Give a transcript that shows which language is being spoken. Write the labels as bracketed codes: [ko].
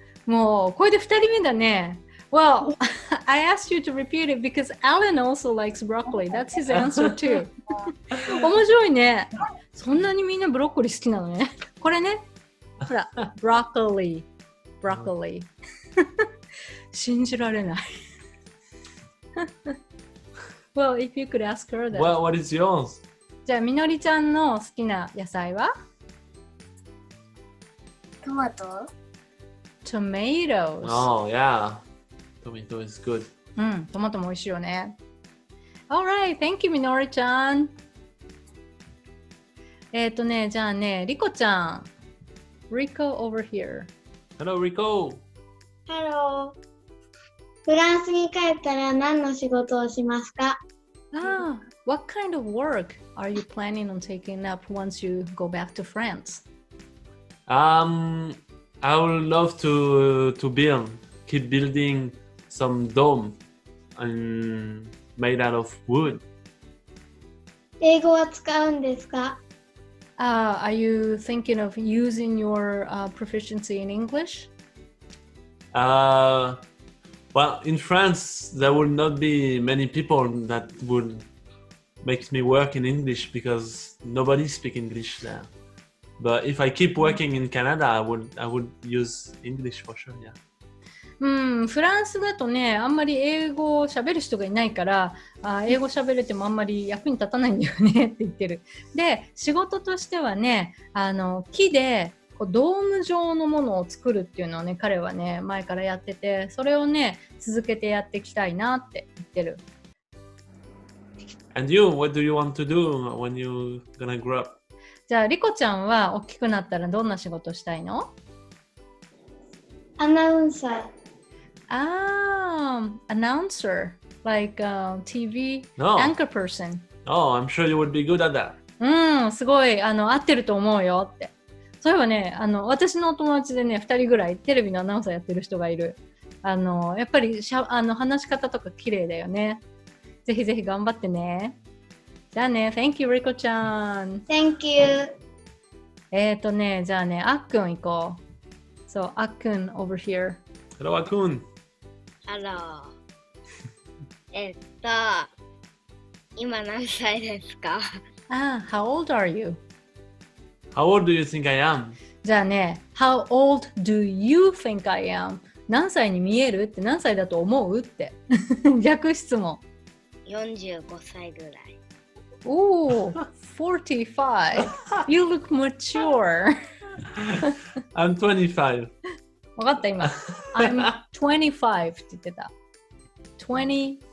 [ja] もうこれで二人目だね。 [en] Well, I asked you to repeat it because Alan also likes broccoli. That's his answer too. [ja] 面白いね。そんなにみんなブロッコリー好きなのね。これね。ほら、ブロッコリー。信じられない。 [en] Well, if you could ask her that. Well, what is yours? [ja] じゃあみのりちゃんの好きな野菜は？トマト。 [en] Tomatoes. Oh, yeah. Tomato is good. [ja] うん、トマトも美味しいよね。 [en] All right. Thank you, Minori-chan. [ja] じゃあね、リコちゃん。 [en] Rico over here. Hello, Rico. Hello. [ja] フランスに帰ったら何の仕事をしますか？ [en] Ah, what kind of work are you planning on taking up once you go back to France? I would love to build, keep building some dome and made out of wood. [ja] 英語は使うんですか？ [en] Are you thinking of using your proficiency in English? Well, in France, there would not be many people that would make me work in English because nobody speaks English there. But if I keep working in Canada, I would use English for sure, yeah. [ja] うん、フランスだとね、あんまり英語を喋る人がいないから、英語喋れてもあんまり役に立たないんだよねって言ってる。で、仕事としてはね、あの木でこうドーム状のものを作るっていうのをね、彼はね、前からやってて、それをね、続けてやっていきたいなって言ってる。 [en] And you, what do you want to do when you're gonna grow up? [ja] じゃあ、リコちゃんは大きくなったらどんな仕事したいの？アナウンサー。あー、アナウンサー。 [en] Like a TV anchor person. No. Oh, I'm sure you would be good at that. [ja] うん、すごい、あの、合ってると思うよって。そういえばね、あの、私の友達でね、2人ぐらいテレビのアナウンサーやってる人がいる。あの、やっぱりあの話し方とか綺麗だよね。ぜひぜひ頑張ってね。じゃあね、 [en] Thank you, Riko-chan. Thank you. [ja] じゃあね、あっくん行こう。 [en] So, あっくん over here. Hello, あっくん。 Hello. [ja] 今何歳ですか？ [en] How old are you? How old do you think I am? [ja] じゃあね、 [en] How old do you think I am? [ja] 何歳に見えるって、何歳だと思うって。逆質問。 45歳ぐらい。 [en] Oh, 45. You look mature. I'm 25. [ja] わかった今。 [en] I'm 25 [ja] って言ってた。25.